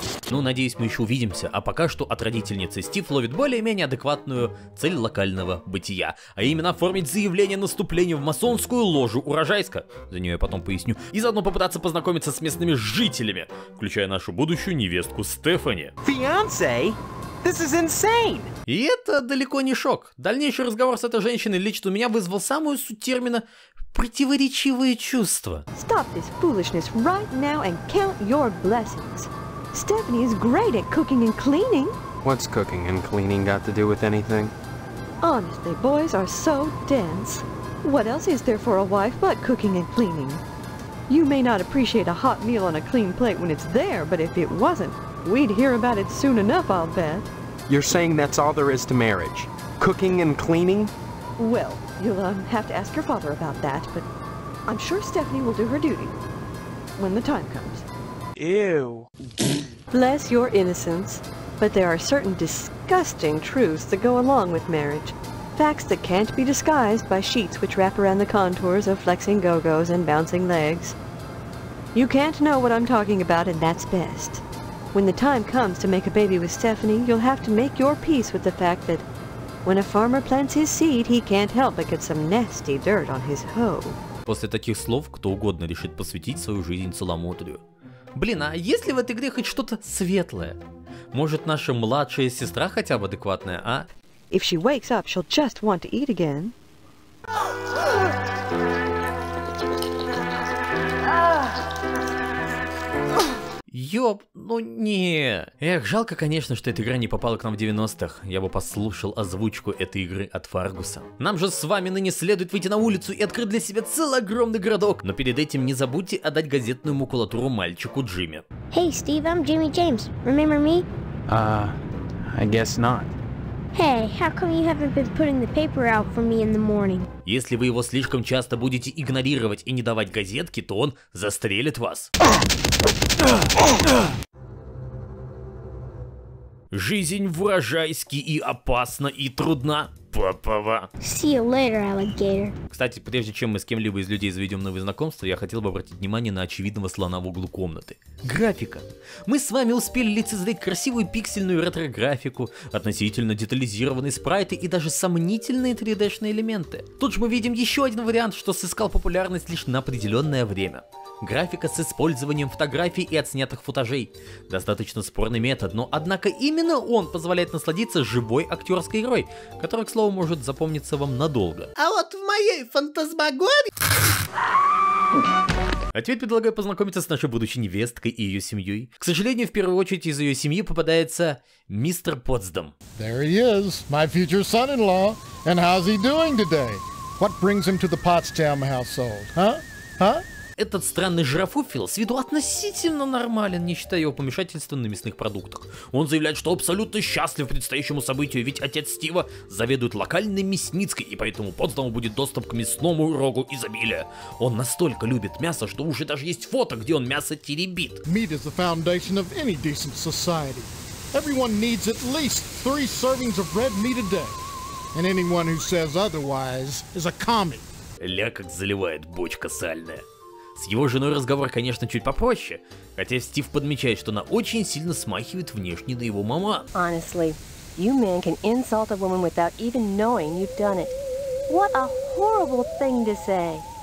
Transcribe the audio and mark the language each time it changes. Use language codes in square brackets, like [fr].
[ru] Ну, надеюсь, мы еще увидимся, а пока что от родительницы Стив ловит более-менее адекватную цель локального бытия, а именно оформить заявление о наступлении в масонскую ложу Урожайска, за нее я потом поясню, и заодно попытаться познакомиться с местными жителями, включая нашу будущую невестку Стефани. [en] Фианце? This is insane! [ru] И это далеко не шок. Дальнейший разговор с этой женщиной лично у меня вызвал самую суть термина «противоречивые чувства». [en] Stop this foolishness right now and count your blessings. Stephanie is great at cooking and cleaning. What's cooking and cleaning got to do with anything? Honestly, boys are so dense. What else is there for a wife but cooking and cleaning? You may not appreciate a hot meal on a clean plate when it's there, but if it wasn't, we'd hear about it soon enough, I'll bet. You're saying that's all there is to marriage? Cooking and cleaning? Well, you'll have to ask your father about that, but I'm sure Stephanie will do her duty when the time comes. Ew. Bless your innocence, but there are certain disgusting truths that go along with marriage. Facts that can't be disguised by sheets which wrap around the contours of flexing go-gos and bouncing legs. You can't know what I'm talking about, and that's best. When the time comes to make a baby with Stephanie, you'll have to make your peace with the fact that when a farmer plants his seed, he can't help but get some nasty dirt on his hoe. [ru] После таких слов кто угодно решит посвятить свою жизнь целомудрию. Блин, а есть ли в этой игре хоть что-то светлое? Может, наша младшая сестра хотя бы адекватная, а? [en] If she wakes up, she'll just want to eat again. [ru] Ёп, ну не. Эх, жалко, конечно, что эта игра не попала к нам в 90-х. Я бы послушал озвучку этой игры от Фаргуса. Нам же с вами ныне следует выйти на улицу и открыть для себя целый огромный городок. Но перед этим не забудьте отдать газетную макулатуру мальчику Джимми. [en] Hey, Steve, I'm Jimmy James. Remember me? I guess not. Hey, how come you haven't been putting the paper out for me in the morning? [ru] Если вы его слишком часто будете игнорировать и не давать газетки, то он застрелит вас. Жизнь в Урожайске и опасна, и трудна. Папава. [en] See you later, alligator. [ru] Кстати, прежде чем мы с кем-либо из людей заведем новые знакомства, я хотел бы обратить внимание на очевидного слона в углу комнаты. Графика. Мы с вами успели лицезреть красивую пиксельную ретро-графику, относительно детализированные спрайты и даже сомнительные 3D-шные элементы. Тут же мы видим еще один вариант, что сыскал популярность лишь на определенное время. Графика с использованием фотографий и отснятых футажей. Достаточно спорный метод, но однако именно он позволяет насладиться живой актерской игрой, которая, к слову, слово может запомниться вам надолго. А вот в моей фантазмагории... А теперь предлагаю познакомиться с нашей будущей невесткой и ее семьей. К сожалению, в первую очередь из ее семьи попадается мистер Потсдам. [en] There he is, my future son-in-law. And how's he doing today? What brings him to the Potsdam household, huh? Huh? [ru] Этот странный жирафуфил с виду относительно нормален, не считая его помешательства на мясных продуктах. Он заявляет, что абсолютно счастлив предстоящему событию, ведь отец Стива заведует локальной мясницкой, и поэтому Потсдаму будет доступ к мясному рогу изобилия. Он настолько любит мясо, что уже даже есть фото, где он мясо теребит. [en] Meat is the foundation of any decent society. Everyone needs at least 3 servings of red meat a day. And anyone who says otherwise is a commie. [ru] Ля как заливает бочка сальная. С его женой разговор, конечно, чуть попроще, хотя Стив подмечает, что она очень сильно смахивает внешне на его мама. [en] Honestly, you men can insult a woman without even knowing you've done it. What a horrible thing to say.